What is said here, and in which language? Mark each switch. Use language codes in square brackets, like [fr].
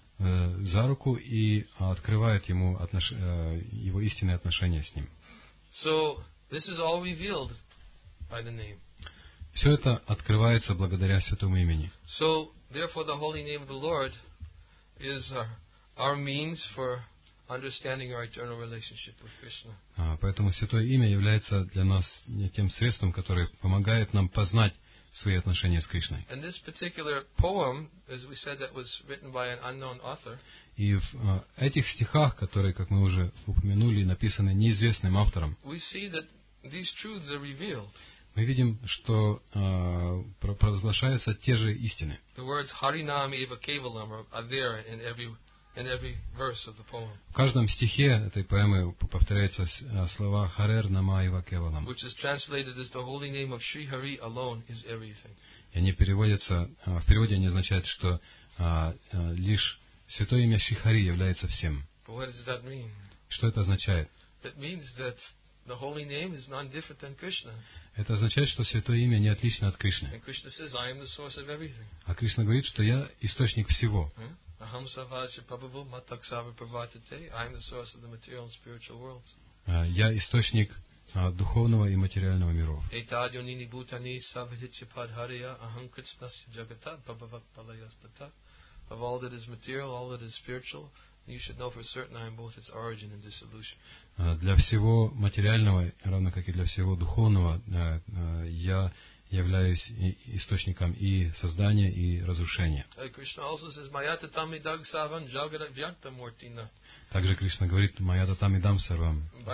[ru] за руку и открывает ему его истинные отношения с ним. [en] So, this is all revealed by the name. [ru] Все это открывается благодаря Святому имени. [en] So, therefore, the holy name of the Lord is our means for understanding our eternal relationship with Krishna. [ru] Поэтому Святое имя является для нас тем средством, которое помогает нам познать свои отношения с Кришной. [en] And this particular poem, as we said, that was written by an unknown author. [ru] И в этих стихах, которые, как мы уже упомянули, написаны неизвестным автором. [en] We see that these truths are revealed. [ru] Мы видим, что провозглашаются те же истины. [en] The words [sa] Harinam Eva Kevalam [en] are there in every verse of the poem. [ru] В каждом стихе этой поэмы повторяются слова [sa] Харер Нама Ива Кевалам. [en] Which is translated as the holy name of Sri Hari alone is everything. [ru] И они переводятся, в переводе они означают, что лишь святое имя Шри Хари является всем. [en] But what does that mean? [ru] Что это означает? [en] That means that the holy name is none different than Krishna. [ru] Это означает, что святое имя не отлично от Кришны. [en] And Krishna says, I am the source of everything. [ru] А Кришна говорит, что я источник всего. [sa] Aham Savaja Prabhu Matak Sava Pravatate. [en] I am the source of the material and spiritual worlds. [ru] Я источник духовного и материального миров. [sa] Этадио нини бутани савхичи падхария ахам кришнасья джагатат бхабхавапалаястата. [en] Of all that is material, all that is spiritual, you should know for certain I am both its origin and dissolution. [ru] Для всего материального, равно как и для всего духовного, я являюсь источником и создания, и разрушения. Также Кришна говорит, [sa] Майата там идам сарвам.